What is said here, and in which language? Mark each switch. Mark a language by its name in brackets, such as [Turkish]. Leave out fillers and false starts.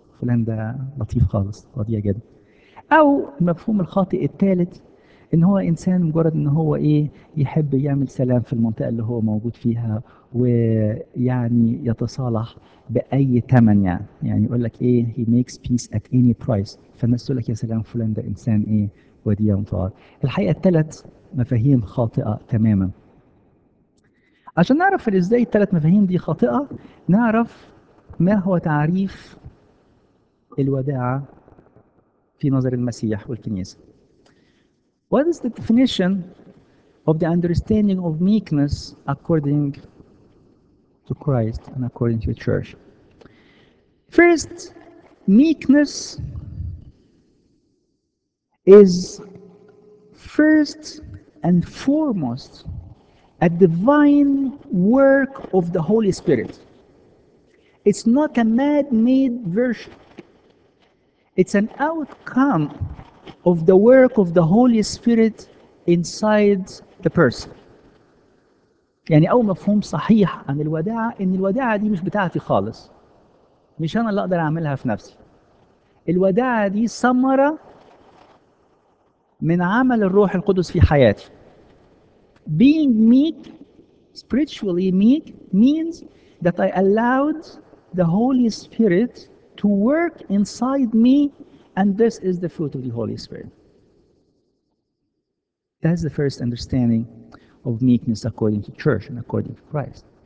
[Arabic] فلان ده لطيف خالص وديع جدا. أو المفهوم الخاطئ الثالث إن هو إنسان مجرد إن هو إيه يحب يعمل سلام في المنطقة اللي هو موجود فيها ويعني يتصالح بأي ثمن يعني يقول لك إيه [English] he makes peace at any price [Arabic] فالناس تقول لك يا سلام فلان ده إنسان إيه وديع ومطار. الحقيقة الثلاث مفاهيم خاطئة تماما. عشان نعرف إزاي الثلاث مفاهيم دي خاطئة نعرف ما هو تعريف الوداعة في نظر المسيح والكنيسة. [English] What is the definition of the understanding of meekness according to Christ and according to the church? First, meekness is first and foremost a divine work of the Holy Spirit. It's not a man-made version. It's an outcome of the work of the Holy Spirit inside the person. [Arabic] يعني أول مفهوم صحيح عن الوداعة إن الوداعة دي مش بتاعتي خالص. مش أنا اللي أقدر أعملها في نفسي. الوداعة دي ثمرة من عمل الروح القدس في حياتي. [English] Being meek, spiritually meek, means that I allowed the Holy Spirit to work inside me, and this is the fruit of the Holy Spirit. That's the first understanding of meekness according to church and according to Christ.